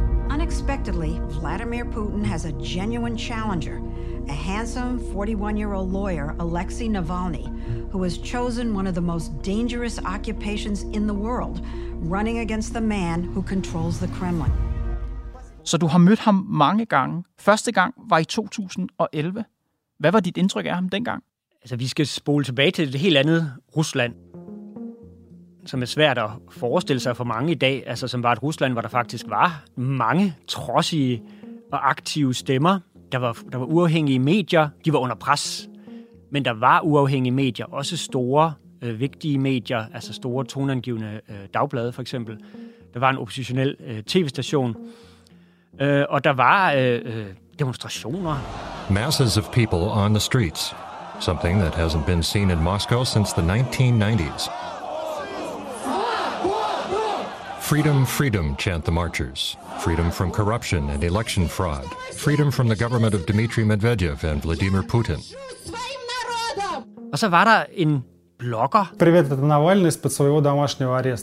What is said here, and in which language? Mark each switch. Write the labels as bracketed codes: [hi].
[en] Unexpectedly, Vladimir Putin has a genuine challenger, a handsome 41-year-old lawyer, Alexei Navalny, who has chosen one of the most dangerous occupations in the world, running against the man who controls the Kremlin. [da] Så du har mødt ham mange gange. Første gang var i 2011. Hvad var dit indtryk af ham dengang? Altså, vi skal spole tilbage til et helt andet Rusland, som er svært at forestille sig for mange i dag. Altså, som var et Rusland, hvor der faktisk var mange trodsige og aktive stemmer. Der var uafhængige medier, de var under pres. Men der var uafhængige medier, også store, vigtige medier, altså store, toneangivende dagblade for eksempel. Der var en oppositionel tv-station. Og der var demonstrationer. [en] Masses of people on the streets. Something that hasn't been seen in Moscow since the 1990s. Freedom, freedom, chant the marchers. Freedom from corruption and election fraud. Freedom from the government of Dmitry Medvedev and Vladimir Putin. [da] Og så var der en blogger. [ru] Привет, это Навальный из-под своего домашнего ареста.